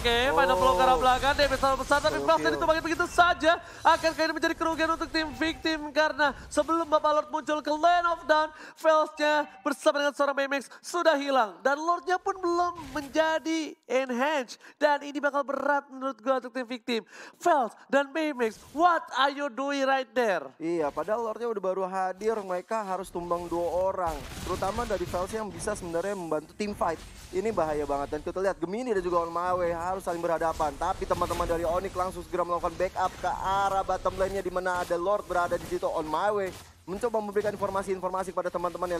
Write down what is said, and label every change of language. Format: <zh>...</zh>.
<id>Oke, final blow ke arah belakang. Damage sangat besar, tapi pasnya ditumbangin begitu saja. Akhirnya ini menjadi kerugian untuk tim Victim. Karena sebelum Bapak Lord muncul ke Land of Dawn, Fails-nya bersama dengan seorang Baymax sudah hilang. Dan Lord-nya pun belum menjadi enhanced. Dan ini bakal berat menurut gue untuk tim Victim.</id> <en>Fails dan Baymax, what are you doing right there?</en> <id>Iya, padahal Lord-nya udah baru hadir. Mereka harus tumbang dua orang. Terutama dari Fails yang bisa sebenarnya membantu tim fight. Ini bahaya banget. Dan kita lihat Gemini dan juga On My Way harus saling berhadapan. Tapi teman-teman dari Onyx langsung segera melakukan backup ke arah bottom lane-nya di mana ada Lord berada di situ. On My Way mencoba memberikan informasi-informasi kepada teman-temannya.</id>